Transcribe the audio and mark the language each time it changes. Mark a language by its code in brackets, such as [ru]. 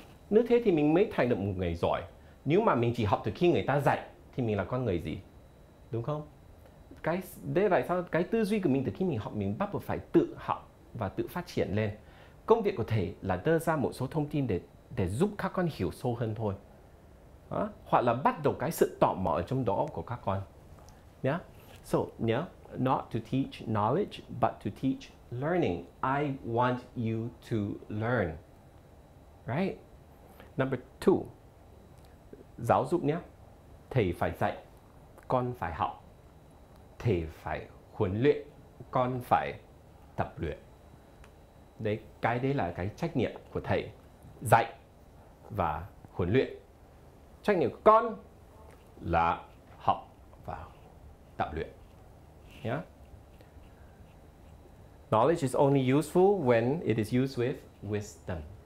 [vi] Như thế thì mình mới thành được một người giỏi. Nếu mà mình chỉ học từ khi người ta dạy, thì mình là con người gì? Đúng không? Đây là sao cái tư duy của mình từ khi mình học, mình bắt buộc phải tự học và tự phát triển lên. Công việc của thầy là đưa ra một số thông tin để giúp các con hiểu sâu hơn thôi. Đó. Hoặc là bắt đầu cái sự tò mò ở trong đó của các con. Yeah. [en] So, yeah, not to teach knowledge, but to teach learning. I want you to learn. Right? Number two, [vi] giáo dục nhé. Thầy phải dạy, con phải học. Thầy phải huấn luyện, con phải tập luyện. Đấy, cái đấy là cái trách nhiệm của thầy. Dạy và huấn luyện. Trách nhiệm của con là học và tập luyện. Yeah. [en] Knowledge is only useful when it is used with wisdom.